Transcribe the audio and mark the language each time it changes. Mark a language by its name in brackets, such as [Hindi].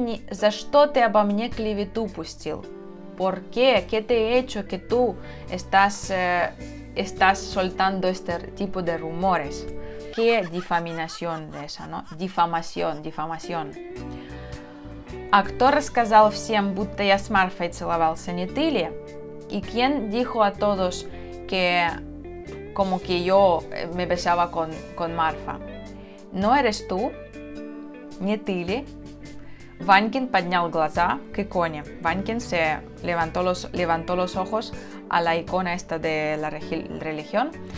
[Russian] за что ты обо мне клевету пустил? [Spanish] ¿Por qué? ¿Qué te he hecho que tú estás soltando este tipo de rumores? ¿Qué difamación de esa, no? Difamación. ¿A [Russian] кто рассказал всем, будто я с Марфой целовался, не ты ли? [Spanish] ¿Y quién dijo a todos que como que yo me besaba con Марфа? ¿No eres tú? [Russian] ¿Не ты ли? Ванькин поднял глаза к иконе. [Spanish] Ванькин se levantó los ojos a la icona esta de la religión.